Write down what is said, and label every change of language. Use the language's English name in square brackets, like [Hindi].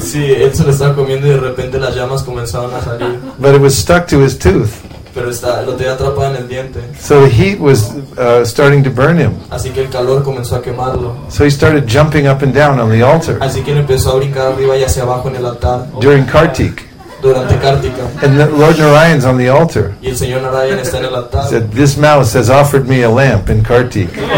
[Spanish] Sí, él se lo estaba comiendo y de repente las llamas comenzaron a salir. [English] But it was stuck to his tooth. [Spanish] Pero lo tenía atrapado en el diente. [English] So the heat was starting to burn him. [Spanish] Así que el calor comenzó a quemarlo. [English] So he started jumping up and down on the altar. [Spanish] Así que él empezó a brincar arriba y hacia abajo en el altar. [English] During Kartik. And the Lord Narayan's on the altar. [Spanish] Y el Señor Narayan está en el altar. [English] Said, this mouse has offered me a lamp in Kartik.